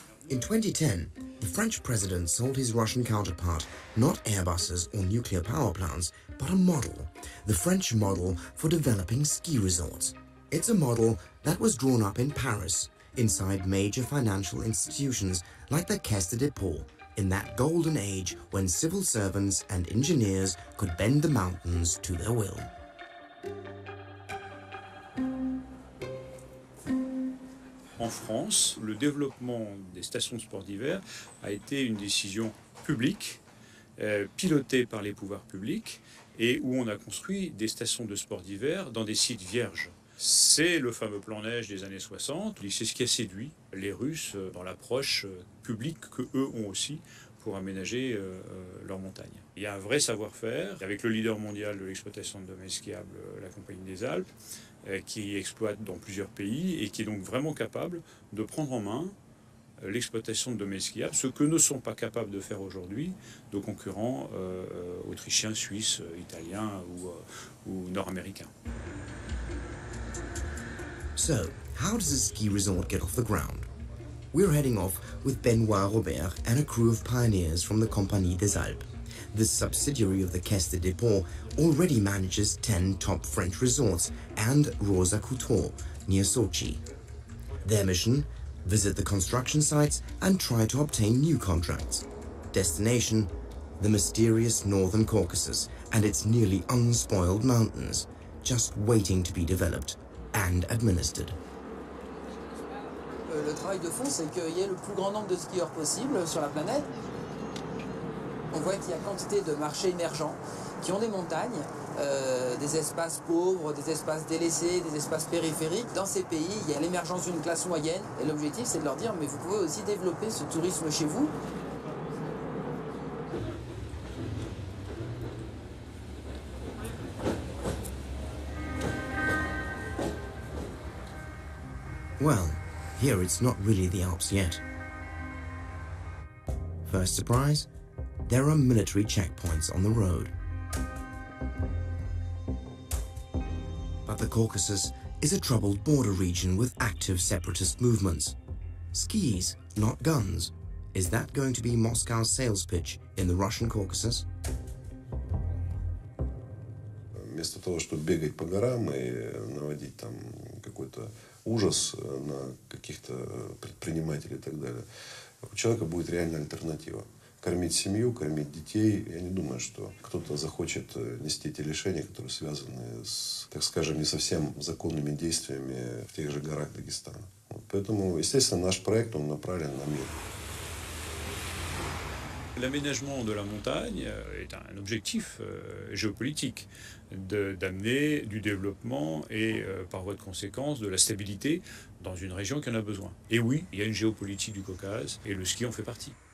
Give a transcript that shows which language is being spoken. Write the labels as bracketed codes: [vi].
[en] In 2010, the French president sold his Russian counterpart not airbuses or nuclear power plants, but a model, the French model for developing ski resorts. It's a model that was drawn up in Paris, inside major financial institutions like the Caisse des Dépôts, in that golden age when civil servants and engineers could bend the mountains to their will. [fr] En France, le développement des stations de sport d'hiver a été une décision publique, pilotée par les pouvoirs publics, et où on a construit des stations de sport d'hiver dans des sites vierges. C'est le fameux plan neige des années 60, c'est ce qui a séduit les Russes dans l'approche publique qu'eux ont aussi pour aménager leurs montagnes. Il y a un vrai savoir-faire avec le leader mondial de l'exploitation de domaines skiables, la Compagnie des Alpes, qui exploite dans plusieurs pays et qui est donc vraiment capable de prendre en main l'exploitation de domaines skiables, ce que ne sont pas capables de faire aujourd'hui nos concurrents autrichiens, suisses, italiens ou nord-américains. [en] So, how does a ski resort get off the ground? We're heading off with Benoît Robert and a crew of pioneers from the Compagnie des Alpes. This subsidiary of the Caisse des Dépôts already manages 10 top French resorts and Rosa Couture near Sochi. Their mission? Visit the construction sites and try to obtain new contracts. Destination? The mysterious Northern Caucasus and its nearly unspoiled mountains, just waiting to be developed and administered. [fr] Le travail de fond, c'est qu'il y ait le plus grand nombre de skieurs possible sur la planète. On voit qu'il y a quantité de marchés émergents qui ont des montagnes, des espaces pauvres, des espaces délaissés, des espaces périphériques. Dans ces pays, il y a l'émergence d'une classe moyenne et l'objectif, c'est de leur dire, mais vous pouvez aussi développer ce tourisme chez vous. [en] Well, here it's not really the Alps yet. First surprise? There are military checkpoints on the road. but the Caucasus is a troubled border region with active separatist movements. Skis, not guns. Is that going to be Moscow's sales pitch in the Russian Caucasus? [ru] Вместо того, чтобы бегать по горам и наводить там какой-то ужас на каких-то предпринимателей и так далее, у человека будет реальная альтернатива. Кормить семью, кормить детей. Я не думаю, что кто-то захочет нести эти лишения, которые связаны с, так скажем, не совсем законными действиями в тех же горах Дагестана. Вот. Поэтому, естественно, наш проект, он направлен на мир. [fr] L'aménagement de la montagne est un objectif géopolitique d'amener du développement et par voie de conséquence de la stabilité dans une région qui en a besoin. Et oui, il y a une géopolitique du Caucase et le ski en fait partie.